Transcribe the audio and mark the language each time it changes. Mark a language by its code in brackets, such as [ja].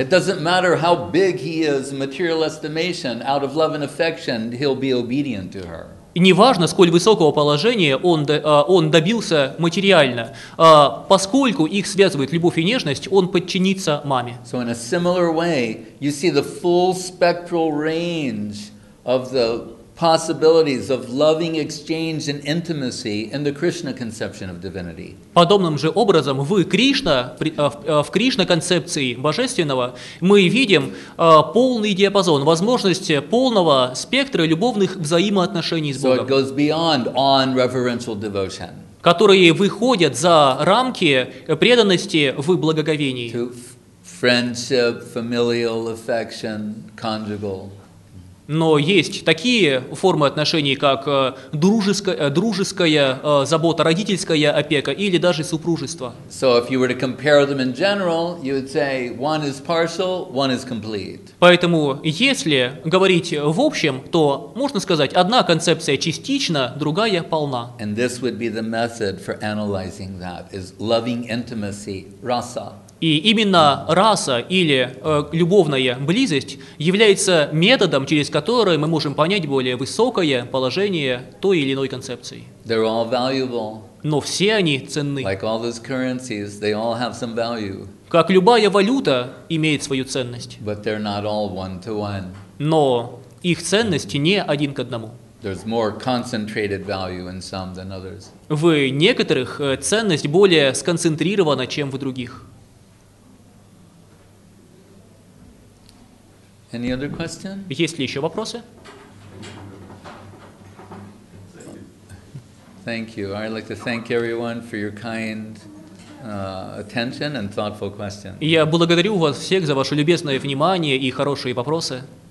[en] It doesn't matter how big he is in material estimation, out of love and affection, he'll be obedient to her. [ru] Неважно, сколь высокого положения он добился материально, поскольку их связывает любовь и нежность, он подчинится маме. [en] So in a similar way, you see the full spectral range of the possibilities of loving exchange and intimacy in the Krishna conception of divinity. [ru] Подобным же образом в Кришна концепции божественного мы видим полный диапазон возможности полного спектра любовных взаимоотношений с Богом. [en] So it goes beyond on reverential devotion. [ru] Которые выходят за рамки преданности в благоговении. [en] To friendship, familial affection, conjugal. [ru] Но есть такие формы отношений, как дружеская забота, родительская опека или даже супружество. [en] So if you were to compare them in general, you would say one is partial, one is complete. [ru] Поэтому, если говорить в общем, то можно сказать, одна концепция частична, другая полна. [en] And this would be the method for analyzing that, is loving intimacy, rasa. [ru] И именно раса или любовная близость является методом, через который мы можем понять более высокое положение той или иной концепции. [en] They're all valuable. [ru] Но все они ценны. [en] Like all those currencies, they all have some value. [ru] Как любая валюта имеет свою ценность. [en] But they're not all one to one. [ru] Но их ценность не один к одному. [en] There's more concentrated value in some than others. [ru] В некоторых ценность более сконцентрирована, чем в других. [en] Any other question? [ru] Есть ли еще вопросы? [en] Thank you. I'd like to thank everyone for your kind attention and thoughtful questions. [ru] Я благодарю вас всех за ваше любезное внимание и хорошие вопросы.